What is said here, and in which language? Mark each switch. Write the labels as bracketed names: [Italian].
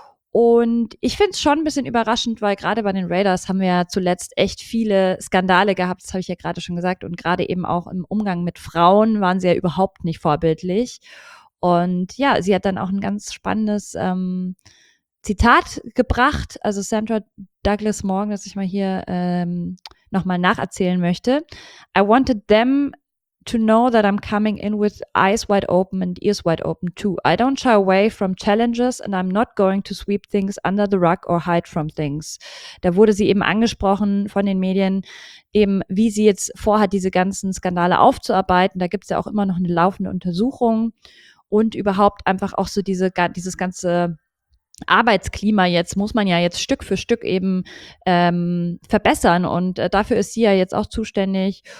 [German] Und ich finde es schon ein bisschen überraschend, weil gerade bei den Raiders haben wir ja zuletzt echt viele Skandale gehabt, das habe ich ja gerade schon gesagt. Und gerade eben auch im Umgang mit Frauen waren sie ja überhaupt nicht vorbildlich. Und ja, sie hat dann auch ein ganz spannendes Zitat gebracht, also Sandra Douglas Morgan, das ich mal hier nochmal nacherzählen möchte. [English] I wanted them to know that I'm coming in with eyes wide open and ears wide open too. I don't shy away from challenges and I'm not going to sweep things under the rug or hide from things. [German] Da wurde sie eben angesprochen von den Medien, eben wie sie jetzt vorhat, diese ganzen Skandale aufzuarbeiten. Da gibt es ja auch immer noch eine laufende Untersuchung und überhaupt einfach auch so dieses ganze Arbeitsklima jetzt, muss man ja jetzt Stück für Stück eben verbessern und dafür ist sie ja jetzt auch zuständig.